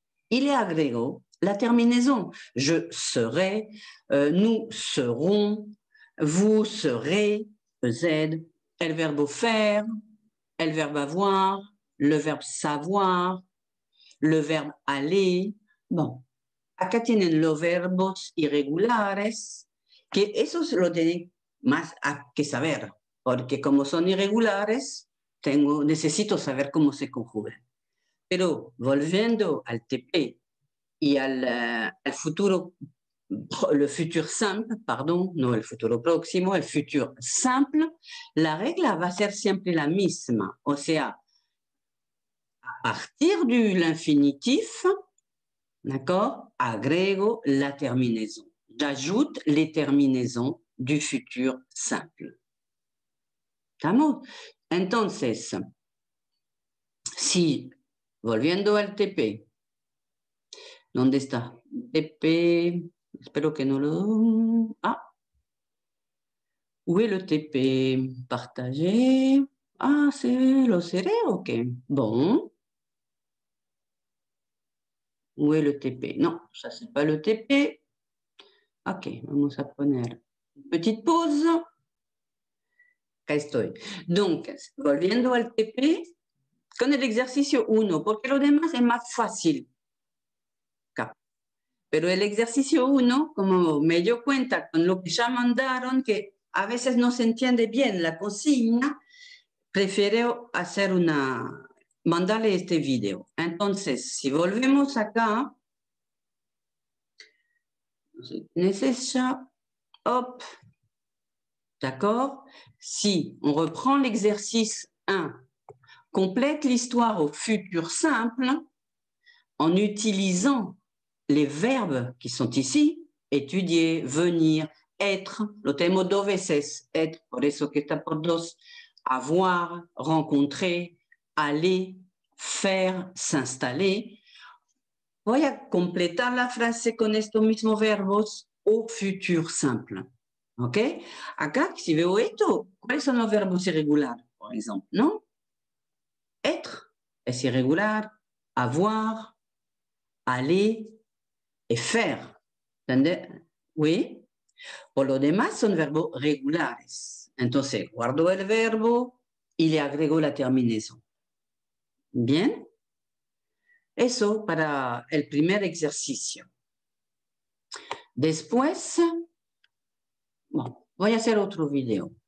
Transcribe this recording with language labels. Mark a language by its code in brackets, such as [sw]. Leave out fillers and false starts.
[fr] Il est agrégo la terminaison. Je serai, nous serons, vous serez, z, [es] el verbo [fr] faire, el verbo avoir, le verbe savoir, le verbe aller. Bon. [es] Acá tienen los verbos irregulares, que eso se lo tienen más a que saber, porque como son irregulares, necesito saber cómo se conjugan. Pero volviendo al TP y al futuro, [fr] le futur simple, pardon, [es] no el futuro próximo, el futur simple, la regla va a ser siempre la misma. O sea, a partir de l'infinitif, d'accord, agrego la terminaison. [fr] J'ajoute les terminaisons du futur simple. [es] ¿Estamos? Entonces, si, volviendo al TP, ¿dónde está? TP, espero que no lo... [fr] Ah, ¿où est le TP? Partagé. Ah, c'est lo seré, ok. Bon. ¿Où est le TP? Non, ça c'est pas le TP. [es] Ok, vamos a poner [fr] une petite pause. [es] Acá estoy. Donc, volviendo al TP, con el ejercicio 1, porque lo demás es más fácil. Pero el ejercicio 1, como me dio cuenta con lo que ya mandaron, que a veces no se entiende bien la consigna, prefiero hacer una... mandarle este video. Entonces, si volvemos acá, hop, d'accord. [fr] Si on reprend l'exercice 1, complète l'histoire au futur simple en utilisant les verbes qui sont ici, étudier, venir, être, [es] lo tengo dos veces, être, por eso que está por dos, [fr] avoir, rencontrer, aller, faire, s'installer. [es] Voy a completar la frase con estos mismos verbos [fr] au futur simple. [es] Ok? Acá, si veo esto, ¿cuáles son los verbos irregulares, por ejemplo? ¿No? Être es irregular, avoir, aller et faire. ¿Entendés? Oui. Por lo demás, son verbos regulares. Entonces, guardo el verbo y le agrego la terminación. Bien. Eso para el primer ejercicio. Después, bueno, voy a hacer otro video.